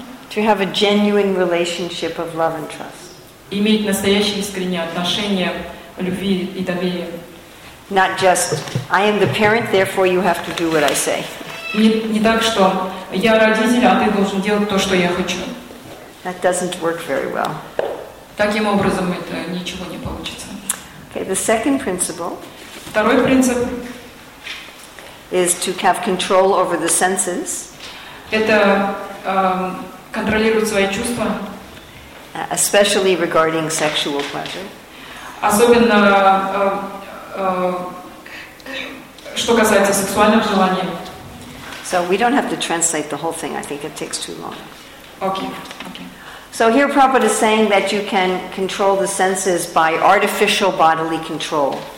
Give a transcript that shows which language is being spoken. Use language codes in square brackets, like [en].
[en] To have a genuine relationship of love and trust. [ru] Иметь настоящие искренние отношения любви и доверия. [en] Not just I am the parent, therefore you have to do what I say. [ru] Не так, что я родитель, а ты должен делать то, что я хочу. [en] That doesn't work very well. [ru] Таким образом это ничего не получится. [en] Okay, the second principle. [ru] Второй принцип [en] is to have control over the senses. [ru] Это контролировать свои чувства. [en] Especially regarding sexual pleasure. [ru] Особенно что касается сексуальных желаний. [en] So we don't have to translate the whole thing. I think it takes too long. Okay. So here Prabhupada is saying that you can control the senses by artificial bodily control.